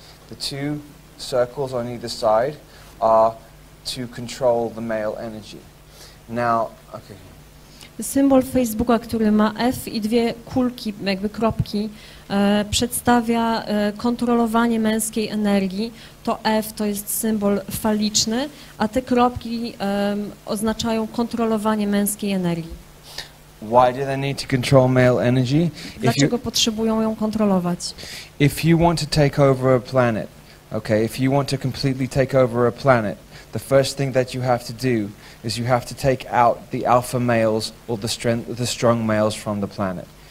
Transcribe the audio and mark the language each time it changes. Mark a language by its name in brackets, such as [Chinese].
[English] The two circles on either side are to control the male energy. Now, okay. [Polish] Symbol Facebooka, który ma F i dwie kulki, jakby kropki, przedstawia kontrolowanie męskiej energii. To F to jest symbol faliczny, a te kropki oznaczają kontrolowanie męskiej energii. [English] Why do they need to control male energy? [Polish] Dlaczego potrzebują ją kontrolować? [English] If you want to take over a planet, okay, if you want to completely take over a planet, the first thing that you have to do is you have to take out the alpha males or the strong males from the planet.